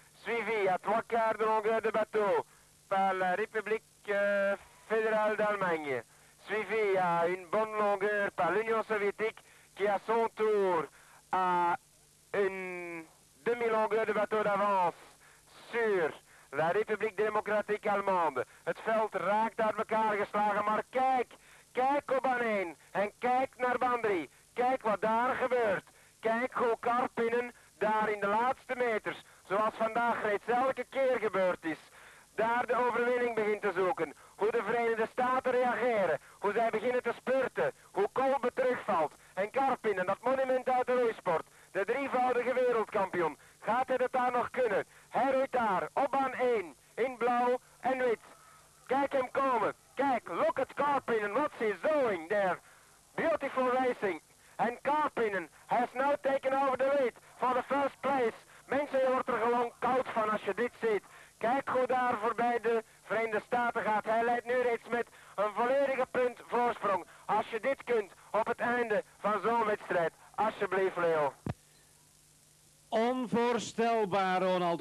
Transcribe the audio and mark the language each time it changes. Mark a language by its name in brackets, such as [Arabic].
[French] Suivi à trois quarts de longueur de bateau par la République fédérale d'Allemagne. Suivi à une bonne longueur par l'Union soviétique qui à son tour a une demi-longueur de bateau d'avance sur la République démocratique allemande. [Dutch] Het veld raakt uit elkaar geslagen, maar kijk, kijk op Baneen en kijk naar Bandri. Kijk wat daar gebeurt. Kijk hoe Karpinen daar in de laatste meters, zoals vandaag reeds elke keer gebeurd is, daar de overwinning begint te zoeken. Hoe de Verenigde Staten reageren. Hoe zij beginnen te spurten. Hoe Kolbe terugvalt. En Karpinen, dat monument uit de roeisport. De drievoudige wereldkampioen. Gaat hij het daar nog kunnen? Hij roeit daar, op baan 1. In blauw en wit. Kijk hem komen. Kijk, [English] look at Karpinen. What's he doing there? Beautiful racing. En Karpinen has now taken over the lead for the first place. [Dutch] Mensen, je wordt er gewoon koud van als je dit ziet. Kijk hoe daar voorbij de Verenigde Staten gaat. Hij leidt nu reeds met een volledige punt voorsprong. Als je dit kunt op het einde van zo'n wedstrijd. Alsjeblieft, Leo. Onvoorstelbaar, Ronald.